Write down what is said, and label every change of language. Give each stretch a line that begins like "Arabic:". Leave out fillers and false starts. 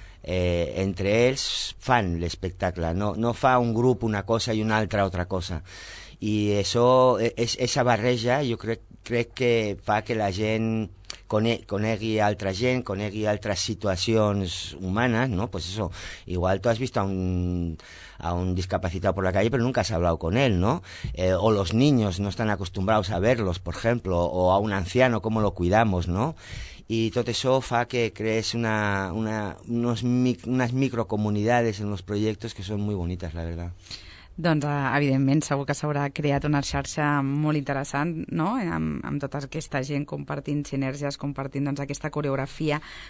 Catalan: entre ells fan l'espectacle, no fa un grup una cosa i un altre altra cosa, i això és esa barreja, jo crec que fa que la gent conegui altra gent, conegui altres situacions humanes, no?
Spanish: Pues eso, igual tú has visto a un discapacitado por la calle, pero nunca has hablado con él, ¿no? O los niños no están acostumbrados a verlos, por ejemplo, o a un anciano, ¿cómo lo cuidamos, no?
Catalan: I tot això fa que crees unes microcomunidades en els projectes que són molt bonites, la veritat. Doncs, evidentment, segur que s'haurà creat una xarxa molt interessant, no?, amb tota aquesta gent compartint sinergies, compartint doncs, aquesta coreografia.